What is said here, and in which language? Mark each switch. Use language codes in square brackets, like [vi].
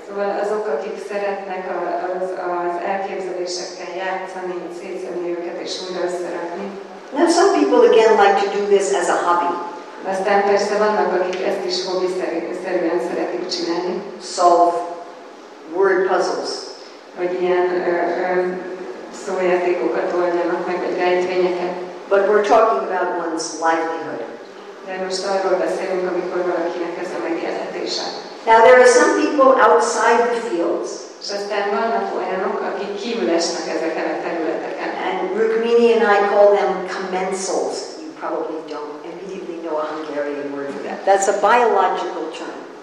[hu] Szóval azok, akik szeretnek az elképzelésekkel játszani, szétszedni őket és újra összerakni. [en] Now some people again like to do this as a hobby. [hu] Aztán persze vannak, akik ezt is hobby szerűen szeretik csinálni. [en] Solve word puzzles. [hu] Vagy ilyen szójátékokat oldjanak meg, vagy rejtvényeket. [en] But we're talking about one's livelihood. [hu] De most arról beszélünk, amikor valakinek ez a megélhetése. [en] Now there are some people outside the fields. [hu] És aztán vannak olyanok, akik kívül esnek ezeken a területeken. [en] And Rukmini and I call them commensals. You probably don't immediately know a Hungarian word for that. That's a biological term.